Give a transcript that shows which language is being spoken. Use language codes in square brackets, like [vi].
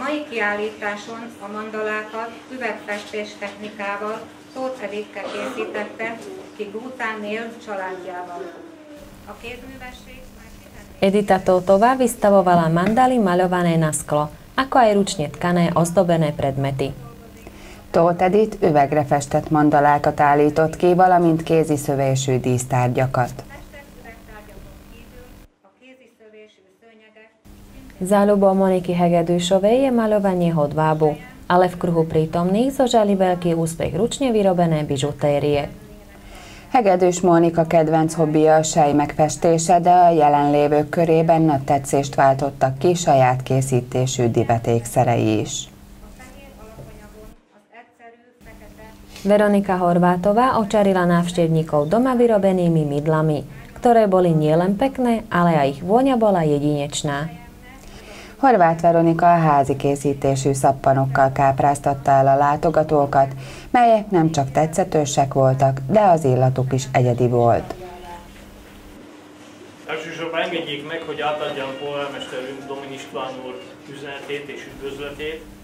[hu] Kiállításon a mandalákat üvegfestés technikával Tóth Edikke készítette, ki Bhután él családjával. A kézművesség már... [sk] Edita Tótová vystavovala mandaly maľované na sklo, ako aj ručne tkané ozdobené predmety. [hu] Tóth Edit üvegre festett mandalákat állított ki, valamint kézi szövésű dísztárgyakat. [sk] Záľubou Moniky Hegedűsovej je maľovanie hodvábu, ale v kruhu prítomných zožali veľký úspech ručne vyrobené bižutérie. [hu] Hegedűs Mónika kedvenc hobbija a sejmek festése, de a jelenlévők körében nagy tetszést váltottak ki saját készítésű divatékszerei is. [sk] Veronika Horvátová očarila návštevníkov doma vyrobenými mydlami, ktoré boli nielen pekné, ale aj ich vôňa bola jedinečná. [hu] Horváth Veronika a házi készítésű szappanokkal kápráztatta el a látogatókat, melyek nem csak tetszetősek voltak, de az illatuk is egyedi volt. Elsősorban engedjék meg, hogy átadjam polgármesterünk Domin István úr üzenetét és üdvözletét.